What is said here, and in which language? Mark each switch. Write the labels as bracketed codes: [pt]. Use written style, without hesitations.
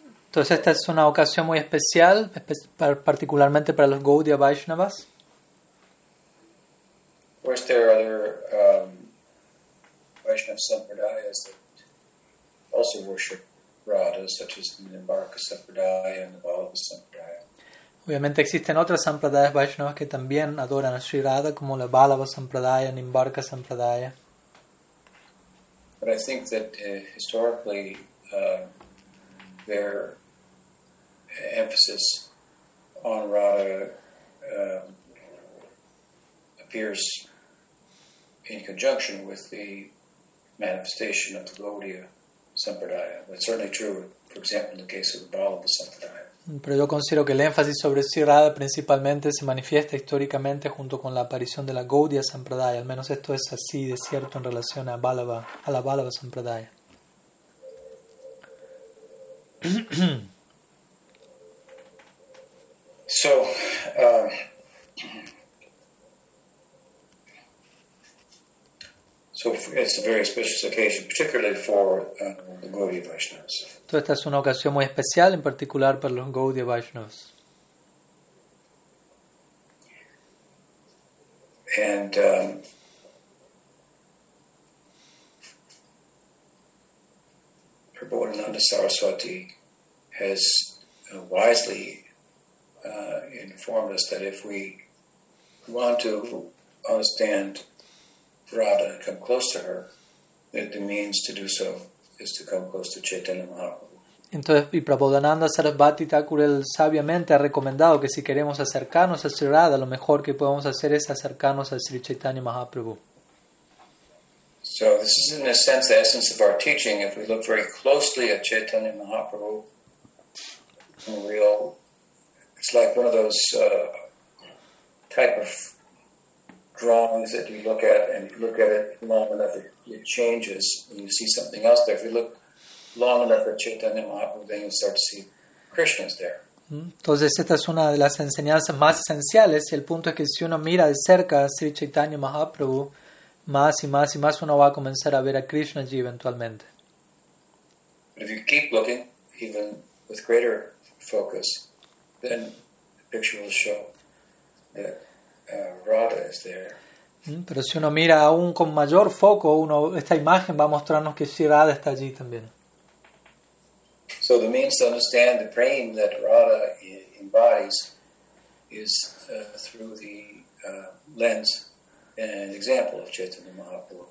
[es] Entonces esta es una ocasión muy especial, particularmente para los Gaudiya Vaishnavas. [en] Of course, there are other Vaishnava Sampradayas that also worship Radha, such as the Nimbarka Sampradaya and the Balava Sampradaya. [es] Obviamente existen otras Sampradayas Vaishnavas que también adoran a Sri Radha, como la Balava Sampradaya, Nimbarka Sampradaya. [en] But I think that historically their emphasis on Radha appears in conjunction with the manifestation of the Gaudiya Sampradaya. That's certainly true, for example, in the case of the Balava Sampradaya. [es] Pero yo considero que el énfasis sobre Sri Radha principalmente se manifiesta históricamente junto con la aparición de la Gaudiya Sampradaya. Al menos esto es así de cierto en relación a Balava, a la Balava Sampradaya. [en] So, so it's a very special occasion, particularly for the Gaudiya Vaishnavas. [es] Entonces esta es una ocasión muy especial, en particular para los Gaudiya Vaishnavas. [en] And Prabodhananda Saraswati has wisely informed us that if we want to understand Radha and come close to her, that the means to do so is to come close to Chaitanya Mahaprabhu. [es] Entonces, y Prabodhananda Saraswati Thakur sabiamente ha recomendado que si queremos acercarnos a Sri Radha, lo mejor que podemos hacer es acercarnos a Sri Chaitanya Mahaprabhu. [en] So this is in a sense the essence of our teaching. If we look very closely at Chaitanya Mahaprabhu, it's like one of those type of drawings that you look at, and you look at it long enough, it changes, and you see something else there. If you look long enough at Chaitanya Mahaprabhu, then you start to see Krishna's there. [es] Entonces esta es una de las enseñanzas más esenciales, y el punto es que si uno mira de cerca a Sri Chaitanya Mahaprabhu, más y más y más uno va a comenzar a ver a Krishna allí eventualmente. [en] But if you keep looking, even with greater focus, then the picture will show that Radha is there. [es] Pero si uno mira aún con mayor foco, esta imagen va a mostrarnos que Sri Radha está allí también. [en] So the means to understand the prema that Radha embodies is through the lens and example of Chaitanya Mahaprabhu.